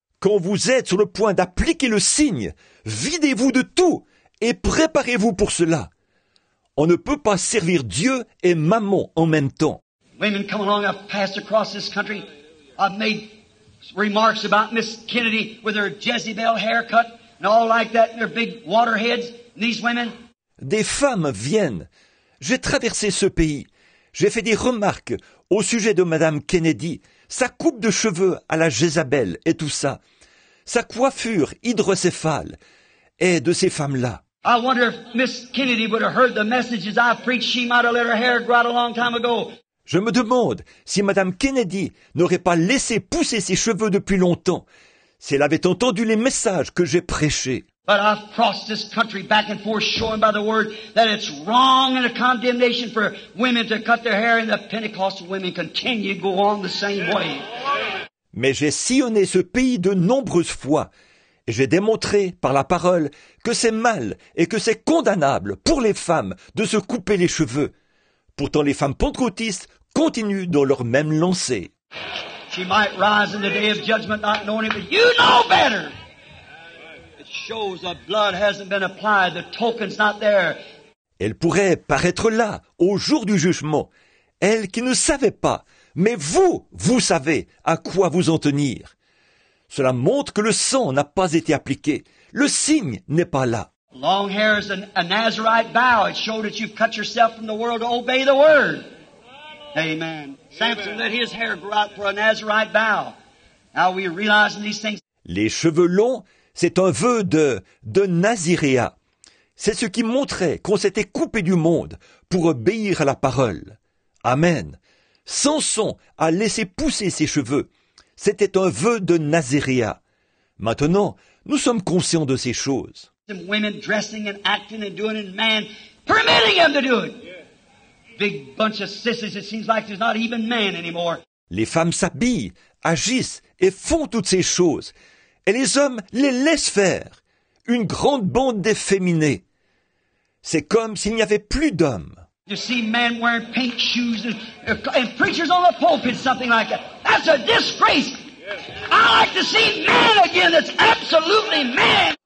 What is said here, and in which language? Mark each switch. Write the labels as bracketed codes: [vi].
[fr] Quand vous êtes sur le point d'appliquer le signe, videz-vous de tout et préparez-vous pour cela. On ne peut pas servir Dieu et mammon en même temps. [en] Women come along, I've passed across this country. I've made remarks about Miss Kennedy with her Jezebel haircut. And all like that, they're big waterheads, and these women. [fr] Des femmes viennent. J'ai traversé ce pays. J'ai fait des remarques au sujet de Madame Kennedy, sa coupe de cheveux à la Jézabel et tout ça, sa coiffure hydrocéphale et de ces femmes-là. [en] I wonder if Miss Kennedy would have heard the messages I preached. She might have let her hair grow out a long time ago. [fr] Je me demande si Madame Kennedy n'aurait pas laissé pousser ses cheveux depuis longtemps. Si elle avait entendu les messages que j'ai prêchés. [en] But I've crossed this country back and forth showing by the word that it's wrong and a condemnation for women to cut their hair and the Pentecostal women continue to go on the same way. [fr] Mais j'ai sillonné ce pays de nombreuses fois et j'ai démontré par la parole que c'est mal et que c'est condamnable pour les femmes de se couper les cheveux. Pourtant les femmes pentecôtistes continuent dans leur même lancée. [en] She might rise in the day of judgment not knowing it, but you know better. It shows the blood hasn't been applied. The token's not there. [fr] Elle pourrait paraître là au jour du jugement, elle qui ne savait pas, mais vous, vous savez à quoi vous en tenir. Cela montre que le sang n'a pas été appliqué. Le signe n'est pas là. [en] Long hair is a Nazarite vow. It showed that you've cut yourself from the world to obey the word. Amen. Samson let his hair grow out for a Nazarite vow. Now we realize these things. [fr] Les cheveux longs, c'est un vœu de Naziréa. C'est ce qui montrait qu'on s'était coupé du monde pour obéir à la parole. Amen. Samson a laissé pousser ses cheveux. C'était un vœu de Naziréa. Maintenant, nous sommes conscients de ces choses. [en] Some women dressing and acting and doing it, and man permitting them to do it. Big bunch of sissies, it seems like there's not even men anymore. [fr] Les femmes s'habillent, agissent et font toutes ces choses. Et les hommes les laissent faire. Une grande bande d'efféminés. C'est comme s'il n'y avait plus d'hommes. [en] You see men wearing pink shoes and preachers on the pulpit, something like that. That's a disgrace. I like to see men again, that's absolutely men.